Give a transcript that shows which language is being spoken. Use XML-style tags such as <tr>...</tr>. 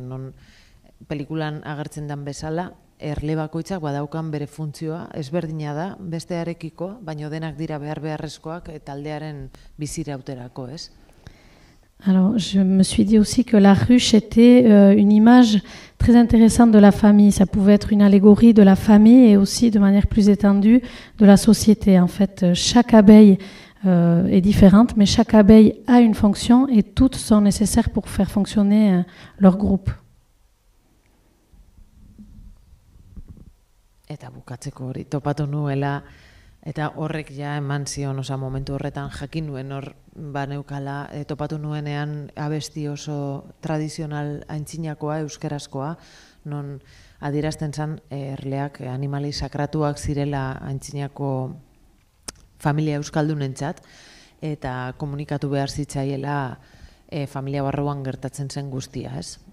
<eu>Non pelikulan agertzen dan bezala, erle bakoitzak badaukan bere funtzioa, ezberdina da, bestearekiko, baino denak dira behar beharrezkoak taldearen bizirauterako, ez?</eu> <fr>Alors, je me suis dit aussi que la ruche était une image très intéressante de la famille. Ça pouvait être une allégorie de la famille et aussi, de manière plus étendue, de la société. En fait, chaque abeille est différente, mais chaque abeille a une fonction et toutes sont nécessaires pour faire fonctionner leur groupe.</fr> <eu>Eta bukatzeko hori topatu nuela, eta horrek ja eman zion, oza, momentu horretan jakin nuen hor baneukala, topatu nuenean abesti oso tradizional antzinakoa, euskarazkoa, non adierazten zan erleak animali sakratuak zirela antzinako familia euskaldunentzat, eta komunikatu behar zitzaiela familia barruan gertatzen zen guztia, ez?</eu>